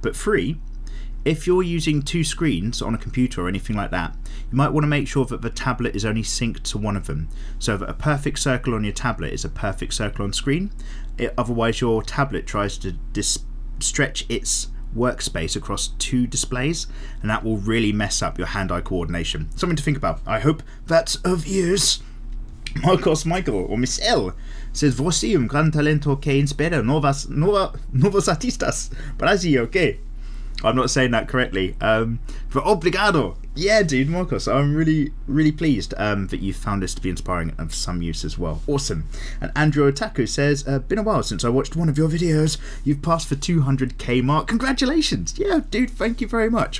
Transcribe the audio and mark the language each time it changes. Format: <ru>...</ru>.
<en>But three, if you're using two screens on a computer or anything like that, you might want to make sure that the tablet is only synced to one of them, so that a perfect circle on your tablet is a perfect circle on screen. Otherwise, your tablet tries to stretch its workspace across two displays, and that will really mess up your hand-eye coordination. Something to think about. I hope that's of use. Marcos Michael, or Miss L, says,</en> <pt>Você um gran talento que inspira novos artistas.</pt> <en>Brasil, ok? I'm not saying that correctly. But obrigado. Yeah, dude, Marcos, I'm really, really pleased that you found this to be inspiring and of some use as well. Awesome. And Andrew Otaku says, been a while since I watched one of your videos. You've passed the 200k mark. Congratulations. Yeah, dude, thank you very much.</en>